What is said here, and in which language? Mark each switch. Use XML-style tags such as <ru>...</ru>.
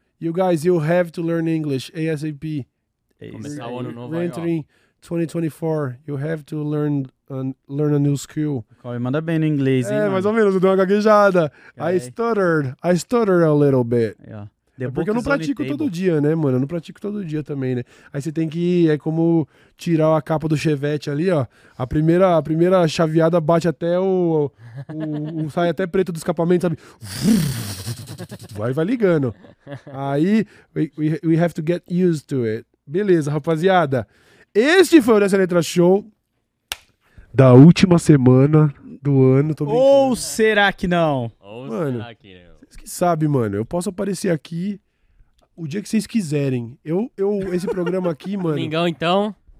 <en>You guys, you have to learn English ASAP.</en> <pt>Começar o ano novo aí, ó.</pt> <en>Entering 2024, you have to learn a new skill.</en> <pt>Corre, manda bem no inglês, hein, é, mano? Mais ou menos, eu dei uma gaguejada.</pt> <en>Okay. I stuttered a little bit. Yeah.</en> <pt>É porque eu não pratico todo dia, né, mano? Eu não pratico todo dia também, né? Aí você tem que ir, é como tirar a capa do Chevette ali, ó. A primeira chaveada bate até o sai até preto do escapamento, sabe? Vai ligando.</pt> <en>Aí, we have to get used to it.</en> <pt>Beleza, rapaziada. Este foi o Dessa Letra Show da última semana do ano. Tô brincando. Ou será que não? Ou mano, será que não? Sabe, mano, eu posso aparecer aqui o dia que vocês quiserem. Eu esse programa aqui, mano... Domingão, então?</pt>